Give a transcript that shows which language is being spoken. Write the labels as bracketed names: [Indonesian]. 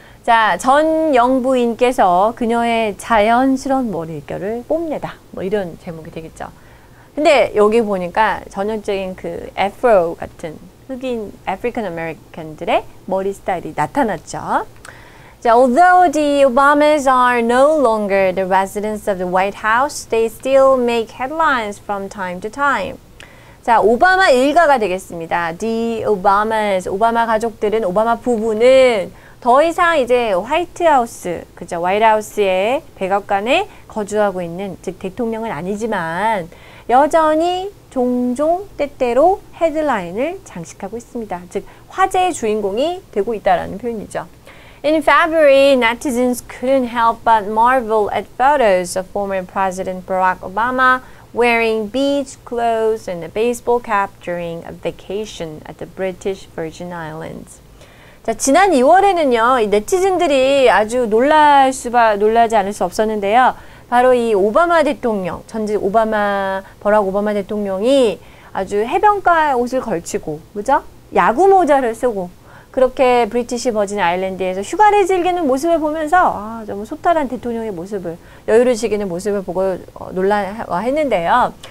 [Korean] 자, 전 영부인께서 그녀의 자연스러운 머릿결을 뽐내다. 뭐 이런 제목이 되겠죠. 근데 여기 보니까 전형적인 그 애프로 같은 흑인 아프리칸 아메리칸들의 머리 스타일이 나타났죠. [English] 자, although the Obamas are no longer the residents of the White House, they still make headlines from time to time. [Korean] 자, 오바마 일가가 되겠습니다. The Obamas, 오바마 가족들은, 오바마 부부는 더 이상 이제 화이트 하우스, 그죠? 화이트 하우스의 백악관에 거주하고 있는, 즉 대통령은 아니지만 여전히 종종 때때로 헤드라인을 장식하고 있습니다. 즉 화제의 주인공이 되고 있다라는 표현이죠. [English] In February, netizens couldn't help but marvel at photos of former President Barack Obama wearing beach clothes and a baseball cap during a vacation at the British Virgin Islands. [Korean] 자, 지난 2월에는요, 이 네티즌들이 아주 놀라지 않을 수 없었는데요. 바로 이 오바마 대통령, 전직 오바마, 버락 오바마 대통령이 아주 해변가에 옷을 걸치고, 그죠? 야구 모자를 쓰고, 그렇게 브리티시 버진 아일랜드에서 휴가를 즐기는 모습을 보면서, 아, 너무 소탈한 대통령의 모습을, 여유로워지는 모습을 보고 놀라했는데요.